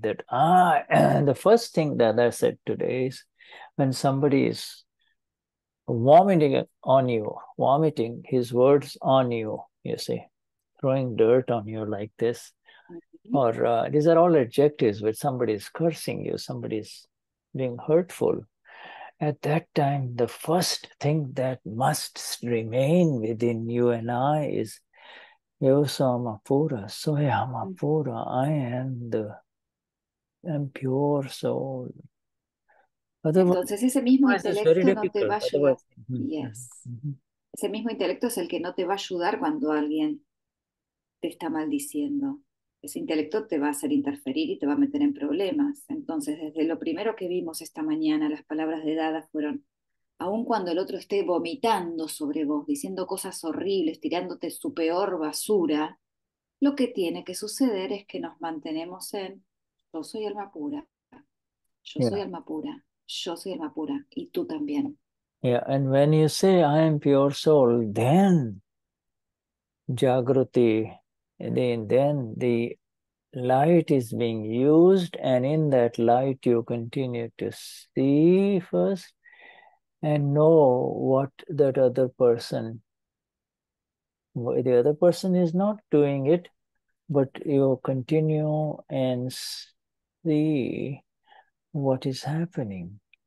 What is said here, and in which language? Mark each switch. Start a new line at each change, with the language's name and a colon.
English: That the first thing that I said today is, when somebody is vomiting his words on you, you see, throwing dirt on you like this, or these are all adjectives, but somebody is cursing you, somebody is being hurtful. At that time, the first thing that must remain within you and I is
Spanish: Yo Sama Pura, Soyama Pura.
English: I am pure soul.
Spanish: Entonces ese mismo intelecto no te va a ayudar. Yes. Ese mismo intelecto es el que no te va a ayudar cuando alguien te está maldiciendo. Ese intelecto te va a hacer interferir y te va a meter en problemas. Entonces, desde lo primero que vimos esta mañana, las palabras de Dada fueron, aun cuando el otro esté vomitando sobre vos, diciendo cosas horribles, tirándote su peor basura, lo que tiene que suceder es que nos mantenemos en yo soy alma pura, yo soy alma pura, yo soy alma pura, y tú también.
English: Yeah, and when you say I am pure soul, then Jagruti, then the light is being used, and in that light you continue to see first and know what that other person, the other person is not doing it, but you continue and see what is happening.